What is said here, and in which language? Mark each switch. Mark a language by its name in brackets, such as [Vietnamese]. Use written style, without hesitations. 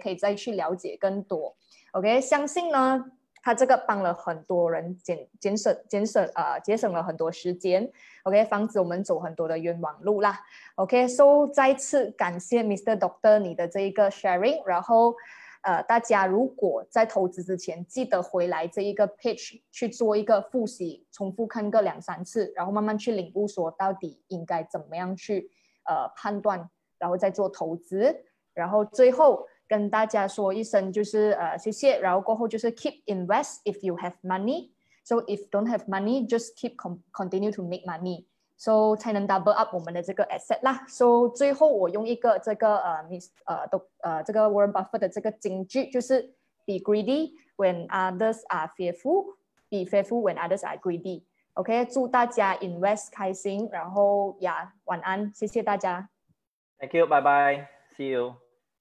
[Chinese] 可以再去了解更多 ，OK， 相信呢他这个帮了很多人节省了很多时间。 OK， 防止我们走很多的冤枉路啦。 OK， so 再次感谢 Mr. Doctor 你的这一个 sharing， 然后大家如果在投资之前记得回来这一个 pitch 去做一个复习，重复看个两三次，然后慢慢去领悟说到底应该怎么样去判断，然后再做投资。然后最后跟大家说一声就是谢谢，然后过后就是 [English] keep invest if you have money。 So if don't have money, just keep continue to make money. [Chinese] So 才能 [English] double up [Chinese] 我们的这个 asset 啦。 So 最后我用一个这个这个 Warren Buffett 的这个金句，就是 [English] be greedy when others are fearful, be fearful when others are greedy. [Chinese] OK， 祝大家 invest 开心，然后呀晚安，谢谢大家。 [English] Thank you, bye bye, see you.